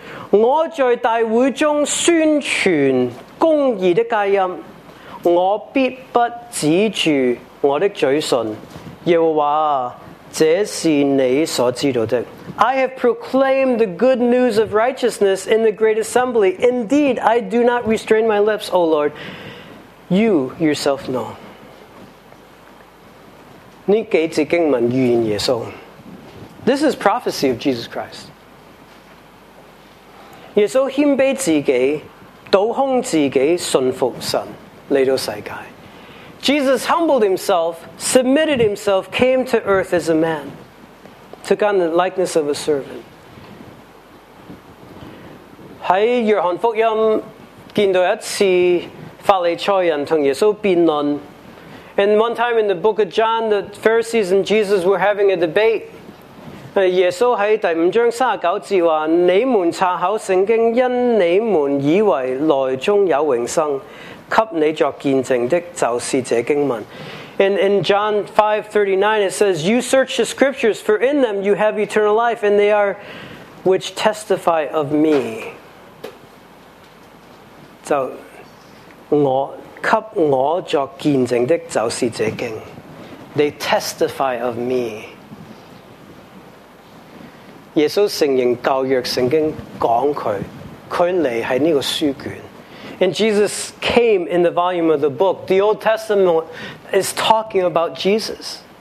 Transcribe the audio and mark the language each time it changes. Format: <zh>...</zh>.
<zh>我在大会中宣传公义的诫音，我必不止住我的嘴唇。耶和华，这是你所知道的。</zh> <en>I have proclaimed the good news of righteousness in the great assembly. Indeed, I do not restrain my lips, O Lord. You yourself know.</en> <zh>这几节经文预言耶稣</zh> <en>This is prophecy of Jesus Christ</en> <zh>耶稣谦卑自己倒空自己顺服神来到世界</zh> <en>Jesus humbled himself submitted himself came to earth as a man took on the likeness of a servant</en> <zh>在约翰福音见到一次法利赛人同耶稣辩论</zh> <en>And one time in the book of John, the Pharisees and Jesus were having a debate.</en> <zh>耶稣在第五章三十九节说你们查考圣经因你们以为来中有永生给你作见证的就是这经文。</zh> <en>And in John 5:39 it says, You search the scriptures, for in them you have eternal life, and they are which testify of me.</en> <zh>就我给我作见证的就是这经</zh> <en>They testify of me</en> <zh>耶稣承认旧约圣经讲他他来在这个书卷</zh> <en>And Jesus came in the volume of the book The Old Testament is talking about Jesus</en>